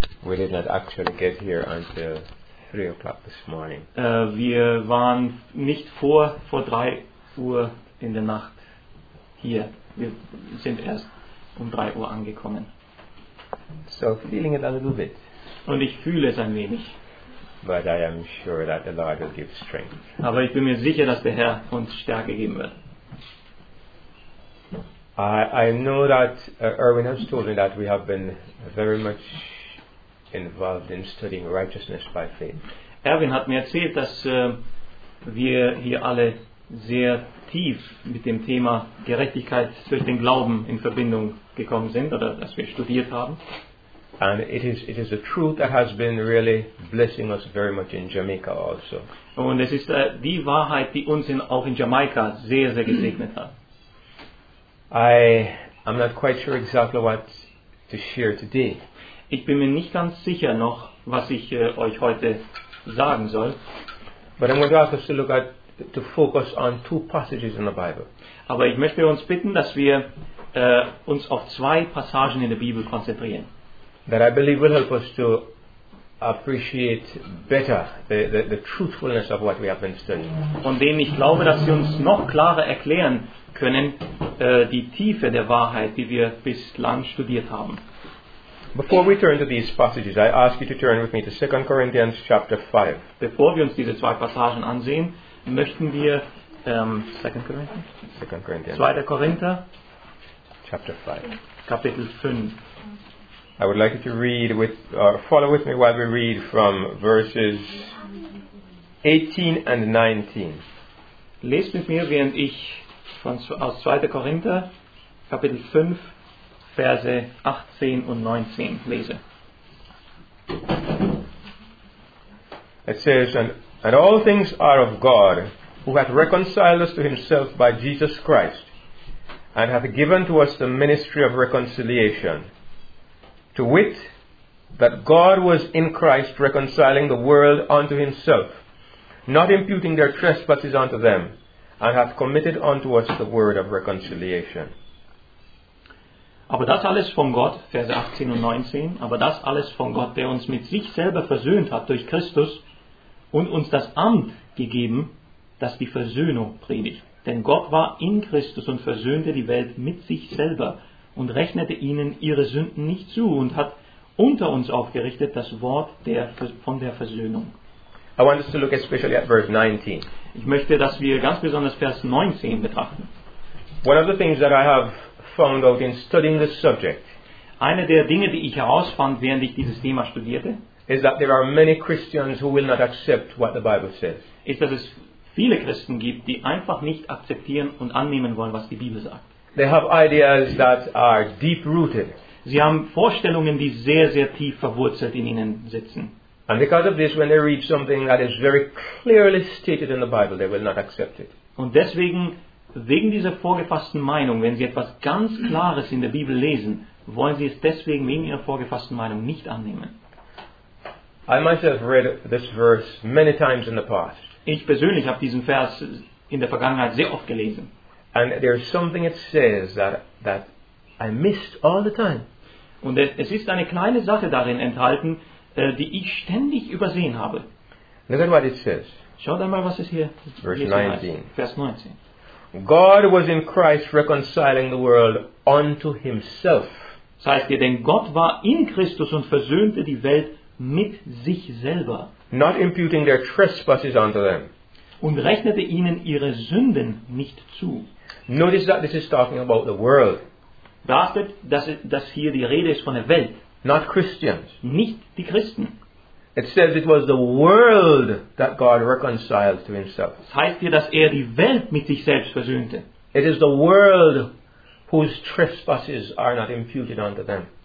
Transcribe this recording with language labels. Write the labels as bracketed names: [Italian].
[English] We did not actually get here until 3 o'clock this morning. [German] Wir waren nicht vor 3 Uhr in der Nacht hier. Wir sind erst um 3 Uhr angekommen. [English] So feeling it a little bit. [German] Und ich fühle es ein wenig. [English] But I am sure that the Lord will give strength. [German] Aber ich bin mir sicher, dass der Herr uns Stärke geben wird. [English] I know that Erwin has told me that we have been very much involved in studying righteousness by faith. [German] Erwin hat mir erzählt, dass wir hier alle sehr tief mit dem Thema Gerechtigkeit durch den Glauben in Verbindung gekommen sind oder dass wir studiert haben. [English] And it is a truth that has been really blessing us very much in Jamaica also. [German] Und es ist die Wahrheit, die uns auch in Jamaica sehr sehr gesegnet hat. [English] I'm not quite sure exactly what to share today. [German] Ich bin mir nicht ganz sicher noch, was ich euch heute sagen soll. [English] But I'm going to ask us to look at to focus on two passages in the Bible. [German] Aber ich möchte uns bitten, dass wir uns auf zwei Passagen in der Bibel konzentrieren. [English] That I believe will help us to appreciate better the truthfulness of what we have been studying. [German] Und dem ich glaube, dass sie uns noch klarer erklären können die Tiefe der Wahrheit, die wir bislang studiert haben. [English] Before we turn to these passages, I ask you to turn with me to 2 Corinthians chapter 5. [German] Bevor wir uns diese zwei Passagen ansehen, möchten wir 2 Korinther [English] chapter 5. [German] Kapitel 5. [English] I would like you to read with, follow with me while we read from verses 18 and 19. [German] Lest mit mir, während ich aus 2. Korinther, Kapitel 5, Verse 18 und 19 lese. [English] It says, and all things are of God, who hath reconciled us to himself by Jesus Christ, and hath given to us the ministry of reconciliation. To wit, that God was in Christ reconciling the world unto himself, not imputing their trespasses unto them, and hath committed unto us the word of reconciliation. [German] Aber das alles von Gott, Verse 18 und 19, aber das alles von Gott, der uns mit sich selber versöhnt hat durch Christus und uns das Amt gegeben, das die Versöhnung predigt. Denn Gott war in Christus und versöhnte die Welt mit sich selber und rechnete ihnen ihre Sünden nicht zu und hat unter uns aufgerichtet das Wort von der Versöhnung. [English] I want us to look especially at verse 19. [German] Ich möchte, dass wir ganz besonders Vers 19 betrachten. [English] One of the things that I have found out in studying this subject. [German] Eine der Dinge, die ich herausfand, während ich dieses Thema studierte, [English] is that there are many Christians who will not accept what the Bible says. [German] Ist, dass es viele Christen gibt, die einfach nicht akzeptieren und annehmen wollen, was die Bibel sagt. [English] They have ideas that are deep rooted. [German] Sie haben Vorstellungen, die sehr sehr tief verwurzelt in ihnen sitzen. [English] And because of this, when they read something that is very clearly stated in the Bible, they will not accept it. [German] Und deswegen, wegen dieser vorgefassten Meinung, wenn sie etwas ganz Klares in der Bibel lesen, wollen sie es deswegen wegen ihrer vorgefassten Meinung nicht annehmen. [English] I myself read this verse many times in the past. [German] Ich persönlich habe diesen Vers in der Vergangenheit sehr oft gelesen. [English] And there's something it says that I missed all the time. [German] Und es ist eine kleine Sache darin enthalten, die ich ständig übersehen habe. [English] Look at what it says. [German] Schaut einmal, was es hier steht. Vers 19. [English] God was in Christ reconciling the world unto himself. [German] Das heißt hier, denn Gott war in Christus und versöhnte die Welt mit sich selber. [English] Not imputing their trespasses unto them. [German] Und rechnete ihnen ihre Sünden nicht zu. [English] Notice that this is talking about the world. [German] Beachtet, dass hier die Rede ist von der Welt. [English] Not Christians. [German] Nicht die Christen. [English] It says it was the world that God reconciled to himself. [German] Das heißt hier, dass die Welt mit sich selbst versöhnte. [English] It is the world whose trespasses are not imputed unto them.